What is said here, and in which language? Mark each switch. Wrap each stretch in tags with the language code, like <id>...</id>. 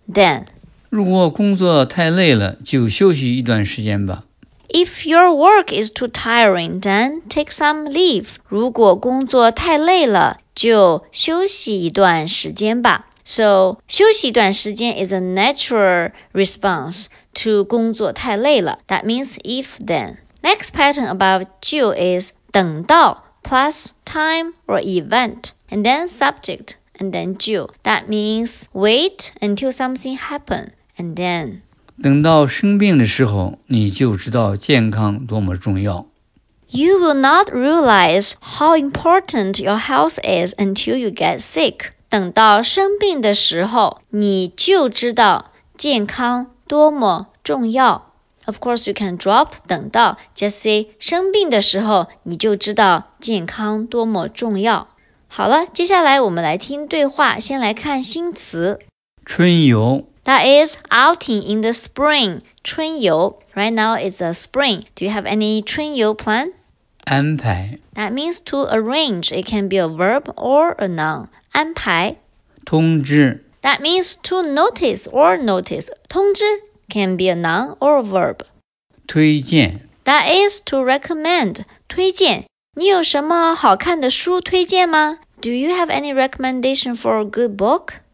<en>Then,</en> <zh>如果工作太累了，就休息一段时间吧。</zh> <en>If your work is too tiring, then take some leave.</en> <zh>如果工作太累了，就休息一段时间吧。</zh> <en>So,</en> <zh>休息一段时间</zh> <en>is a natural response to</en> <zh>工作太累了。</zh> <en>That means if then. Next pattern above 就 is 等到 plus time or event, and then subject, and then 就. That means wait until something happens, and then.</en> <zh>等到生病的时候，你就知道健康多么重要。</zh> <en>You will not realize how important your health is until you get sick.</en> <zh>等到生病的时候，你就知道健康多么重要。</zh> <en>Of course, you can drop</en> <zh>等到</zh> <en>just say</en> <zh>生病的时候，你就知道健康多么重要。好了，接下来我们来听对话，先来看新词。春游。</zh> <en>That is outing in the spring. 春游。 Right now is the spring. Do you have any 春游 plan?</en> <zh>安排。</zh> <en>That means to arrange. It can be a verb or a noun. 安排。</en> <zh>通知。</zh> <en>That means to notice or notice. 通知。Can be a noun or a verb.</en> <zh>推荐。</zh> <en>That is to recommend. 推荐。</en> <zh>你有什么好看的书推荐吗?</zh> <en>Do you have any recommendation for a good book?</en>